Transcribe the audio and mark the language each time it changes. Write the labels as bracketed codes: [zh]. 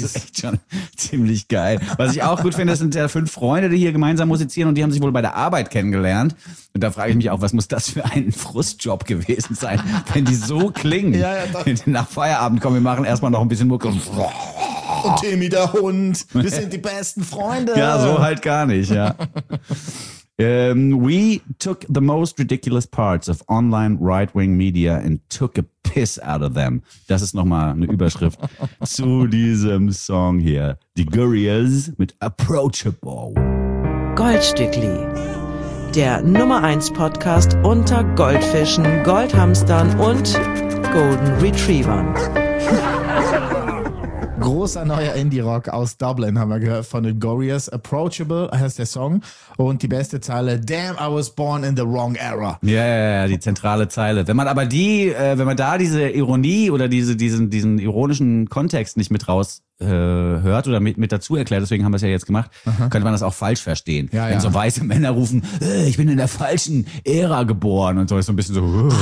[de] Das ist echt schon ziemlich geil. Was ich auch gut finde, das sind ja 5 Freunde, die hier gemeinsam musizieren und die haben sich wohl bei der Arbeit kennengelernt. Und da frage ich mich auch, was muss das für ein Frustjob gewesen sein, wenn die so klingen? Ja, ja, doch. Wenn die nach Feierabend kommen, wir machen erstmal noch ein bisschen Mucke. Und Timmy der Hund, wir sind die besten Freunde. Ja, so halt gar nicht, ja. [en] We took the most ridiculous parts of online right-wing media and took a piss out of them. [de] Das ist nochmal eine Überschrift zu diesem Song hier. Die Gurriers mit Approachable. Goldstückli, der Nummer 1 Podcast unter Goldfischen, Goldhamstern und Golden Retrievern. Großer neuer Indie-Rock aus Dublin, haben wir gehört, von den Gurriers. Approachable heißt der Song. Und die beste Zeile, [en] damn, I was born in the wrong era. [de] Ja, yeah, die zentrale Zeile. Wenn man aber wenn man da diese Ironie oder diesen ironischen Kontext nicht mit raus hört oder mit dazu erklärt, deswegen haben wir es ja jetzt gemacht, könnte man das auch falsch verstehen. Ja, wenn so weiße Männer rufen, ich bin in der falschen Ära geboren und so, ist so ein bisschen so.